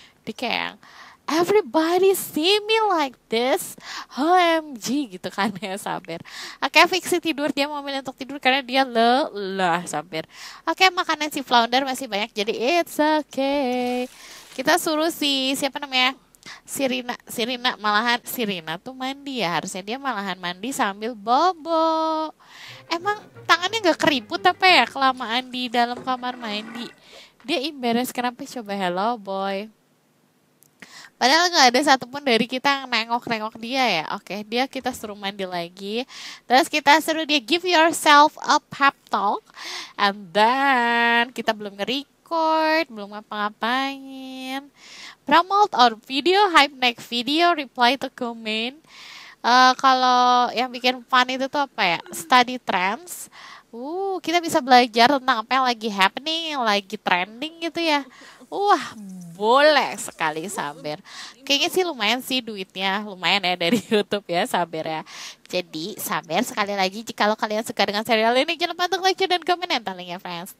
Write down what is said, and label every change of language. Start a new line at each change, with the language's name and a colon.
English: Dia kayak, everybody see me like this.
Indonesian: OMG gitu kan ya Samir. Oke, Fixie tidur. Dia mau milih untuk tidur karena dia lelah Samir. Oke, makanan si Flounder masih banyak. Jadi it's okay. Kita suruh si, siapa namanya? Sirina. Sirina malahan. Sirina tuh mandi ya. Harusnya dia malahan mandi sambil bobo. Emang tangannya gak keriput apa ya? Kelamaan di dalam kamar mandi. Dia embarrassed, kenapa coba hello boy. Padahal gak ada satupun dari kita yang nengok-nengok dia ya. Oke, dia kita suruh mandi lagi. Terus kita suruh dia
English: give yourself a pep talk.
Indonesian: And then kita belum nge-record, belum ngapa-ngapain.
English: Promote our video, hype next video, reply to comment.
Indonesian: Kalau yang bikin fun itu tuh apa ya? Study trends. Kita bisa belajar tentang apa yang lagi
English: happening,
Indonesian: yang lagi trending gitu ya. Wah, boleh sekali Samir. Kayaknya sih lumayan sih duitnya, lumayan ya dari YouTube ya Samir ya. Jadi Samir sekali lagi, jika lo kalian suka dengan serial ini, jangan lupa untuk like, share, dan komen yang telling ya friends.